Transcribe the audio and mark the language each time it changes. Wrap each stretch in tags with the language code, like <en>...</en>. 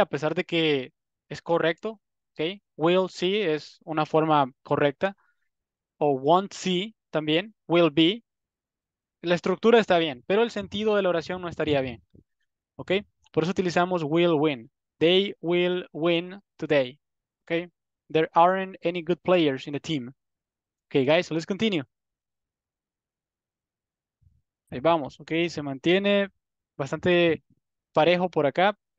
<es>A pesar de que es correcto, ¿ok? Will see es una forma correcta, o won't see también, will be. La estructura está bien, pero el sentido de la oración no estaría bien, ¿ok? Por eso utilizamos</es> <en>will win. They will win today. Okay, there aren't any good players in the team. Okay, guys, so let's continue.</en> <es>Ahí vamos, okay, se mantiene bastante parejo por acá.</es>